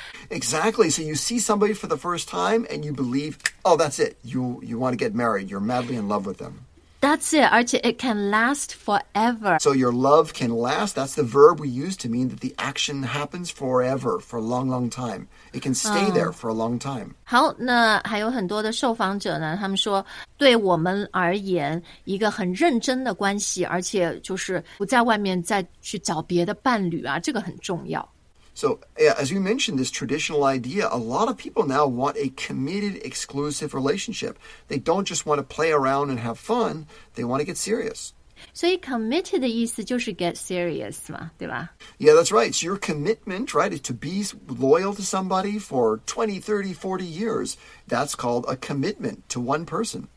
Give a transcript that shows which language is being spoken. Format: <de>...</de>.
<en>Exactly, so you see somebody for the first time and you believe, oh, that's it, you want to get married, you're madly in love with them. That's it,</en> <zh>而且</zh> <en>it can last forever. So your love can last, that's the verb we use to mean that the action happens forever, for a long, long time. It can stay there for a long time.</en> <zh>好，那还有很多的受访者呢，他们说对我们而言，一个很认真的关系，而且就是不在外面再去找别的伴侣啊，这个很重要。</zh> <en>So, yeah, as you mentioned, this traditional idea, a lot of people now want a committed, exclusive relationship. They don't just want to play around and have fun. They want to get serious.</en> <zh>So, committed 的意思就是</zh> <en>get serious</en> <zh>嘛，对吧？</zh> <en>Yeah, that's right. So, your commitment, right, to be loyal to somebody for 20, 30, 40 years, that's called a commitment to one person.</en>